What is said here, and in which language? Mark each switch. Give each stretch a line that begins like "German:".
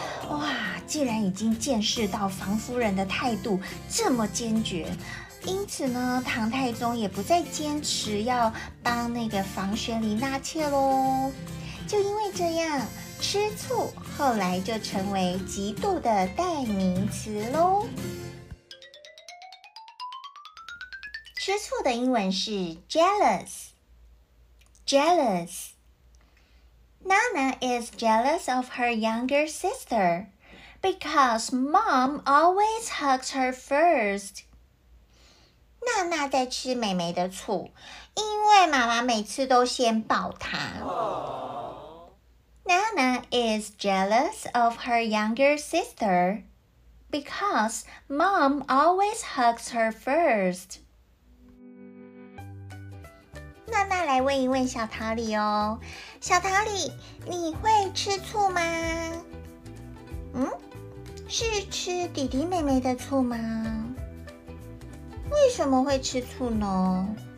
Chinese: 哇，既然已经见识到房夫人的态度这么坚决，因此呢唐太宗也不再坚持要帮那个房玄龄纳妾咯。就因为这样，吃醋后来就成为嫉妒的代名词咯。吃醋的英文是 jealous, jealous.
English: Nana is jealous of her younger sister because mom always hugs her first.
Chinese: 娜娜在吃妹妹的醋，因为妈妈每次都先抱她。
English: Nana is jealous of her younger sister because mom always hugs her first.
Chinese: 娜娜来问一问小桃李哦，小桃李，你会吃醋吗？是吃弟弟妹妹的醋吗？为什么会吃醋呢？